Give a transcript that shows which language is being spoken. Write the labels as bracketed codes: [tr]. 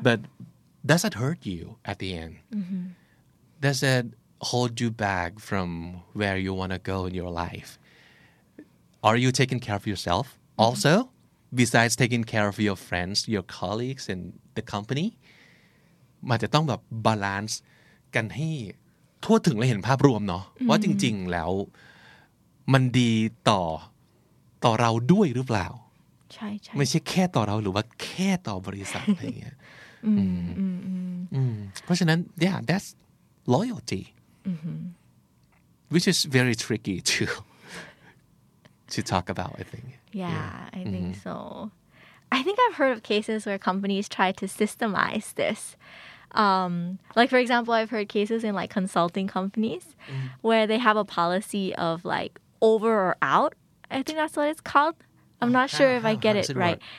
[en] But does that hurt you at the end? Does that hold you back from where you want to go in your life? Are you taking care of yourself also? Besides taking care of your friends, your colleagues, and the company? [th] มันจะต้องแบบบาลานซ์กันให้ทั่วถึงและเห็นภาพรวมเนาะว่าจริงๆแล้วมันดีต่อเราด้วยหรือเปล่า ใช่ใช่ ไม่ใช่แค่ต่อเราหรือว่าแค่ต่อบริษัทอะไรเงี้ยเพราะฉะนั้น [en] yeah that's loyalty which is very tricky to talk about I think yeah I think so I think I've heard of cases where companies try to systemize this like for example I've heard cases in like consulting companies where they have a policy of like over or out I think that's what it's calledI'm not sure if I get it right.